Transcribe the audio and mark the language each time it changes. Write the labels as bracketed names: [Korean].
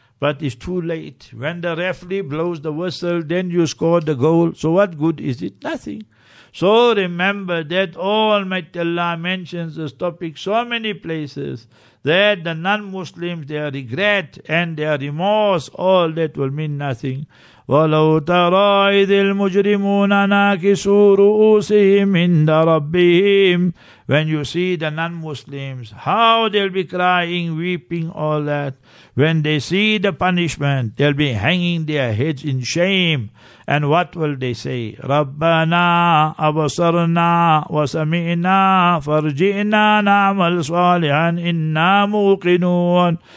[English] But it's too late. When the referee blows the whistle, then you score the goal. So what good is it? Nothing. So remember that Almighty Allah mentions this topic so many places, that the non-Muslims, their regret and their remorse, all that will mean nothing. [Arabic] ولو ترى إذ المجرمون ناكسوا رؤوسهم عند ربهم. [English] When you see the non-Muslims, how they'll be crying, weeping, all that. When they see the punishment, they'll be hanging their heads in shame. And what will they say? [Arabic] رَبَّنَا أَبَصَرْنَا وَسَمِئْنَا فَرْجِئْنَا نَعْمَلْ صَالِحًا إِنَّا مُوقِنُونَ.